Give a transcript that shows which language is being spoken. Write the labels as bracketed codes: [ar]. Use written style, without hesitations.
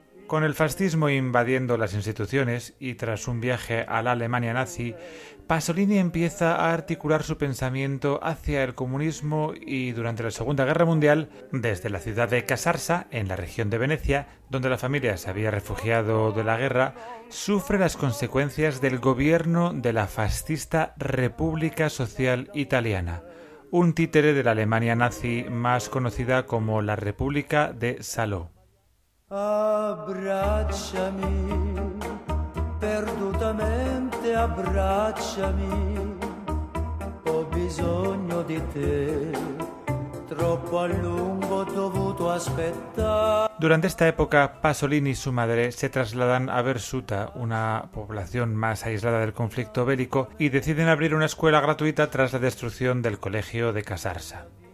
[es] Con el fascismo invadiendo las instituciones y tras un viaje a la Alemania nazi, Pasolini empieza a articular su pensamiento hacia el comunismo y durante la Segunda Guerra Mundial, desde la ciudad de Casarsa, en la región de Venecia, donde la familia se había refugiado de la guerra, sufre las consecuencias del gobierno de la fascista República Social Italiana, un títere de la Alemania nazi más conocida como la República de Salò. [it] Abbracciami, perdutamente abbracciami, ho bisogno di te, troppo a lungo ho dovuto aspettare. [es] Durante esta época, Pasolini y su madre se trasladan a Bersuta, una población más aislada del conflicto bélico, y deciden abrir una escuela gratuita tras la destrucción del colegio de Casarsa.